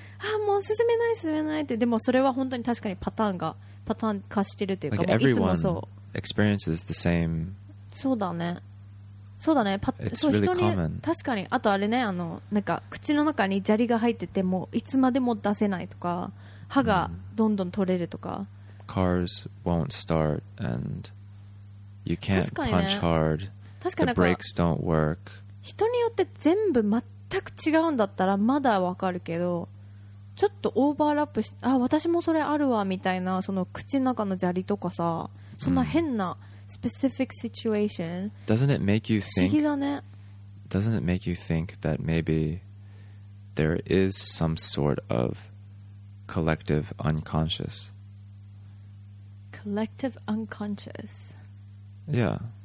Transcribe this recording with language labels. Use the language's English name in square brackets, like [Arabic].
[Japanese] あ、もう進めないって。でもそれは本当に確かにパターン化してるというか、 [English] like、 [Japanese] もういつもそう。 [English] Experiences the same. [Japanese] そうだね。そうだね。 [English] It's really common. [Japanese] 確かに。あとあれね、あのなんか口の中に砂利が入っててもういつまでも出せないとか、歯がどんどん取れるとか。 [English] Cars won't start and you can't punch hard. [Japanese] 確かに。 [English] The brakes don't work. [Japanese] 人によって全部全く違うんだったらまだわかるけど、ちょっとオーバーラップし、あ、私もそれあるわみたいな、その口の中の砂利とかさ、そんな変なスペシフィックシチュエーション。 [English] Doesn't it make you think? [Japanese] 不思議だね。 [English] Doesn't it make you think that maybe there is some sort of collective unconscious? Collective unconscious. Yeah.